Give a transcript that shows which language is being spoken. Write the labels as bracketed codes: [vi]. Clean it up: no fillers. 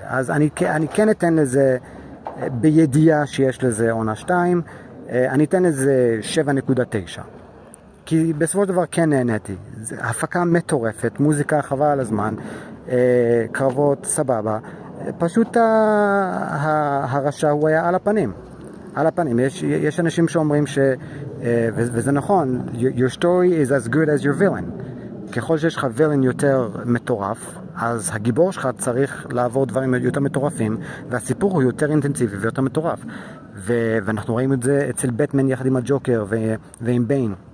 [he] אז אני כן אתן לזה, בידיעה שיש לזה עונה 2, אני אתן לזה 7.9. כי בסופו של דבר כן נהניתי. הפקה מטורפת, מוזיקה חבל על הזמן, קרבות סבבה. פשוט הרשע הוא היה על הפנים. על הפנים. יש אנשים שאומרים ש... וזה נכון, [en] your story is as good as your villain. [he] ככל שיש לך וילן יותר מטורף, אז הגיבור שלך צריך לעבור דברים יותר מטורפים, והסיפור הוא יותר אינטנסיבי ויותר מטורף. ואנחנו רואים את זה אצל בטמן יחד עם הג'וקר ועם ביין.